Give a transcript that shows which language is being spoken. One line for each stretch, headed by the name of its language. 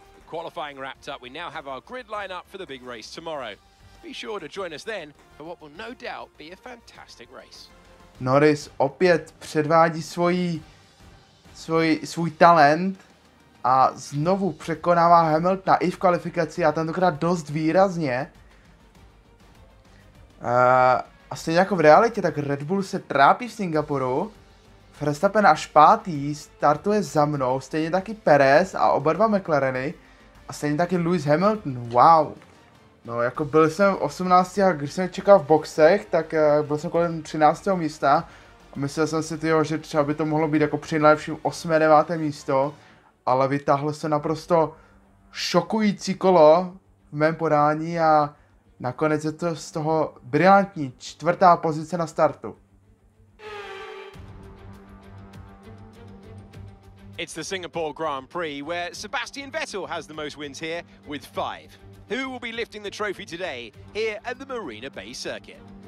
English: Qualifying wrapped up, we now have our grid line up for the big race tomorrow. Be sure to join us then for what will no doubt be a fantastic race.
Czech: Norris opět předvádí svůj talent. A znovu překonává Hamiltona i v kvalifikaci a tentokrát dost výrazně. A stejně jako v realitě, tak Red Bull se trápí v Singapuru. Verstappen až pátý startuje za mnou, stejně taky Perez a oba dva McLareny. A stejně taky Lewis Hamilton, wow. No jako byl jsem v 18. a když jsem čekal v boxech, tak byl jsem kolem 13. místa. A myslel jsem si, tyjo, že třeba by to mohlo být jako při nejlepším 8. 9. místo. Ale vytáhlo se naprosto šokující kolo v mém podání a nakonec je to z toho brilantní čtvrtá pozice na startu.
English: It's the Singapore Grand Prix where Sebastian Vettel has the most wins here with 5. Who will be lifting the trophy today here at the Marina Bay Circuit?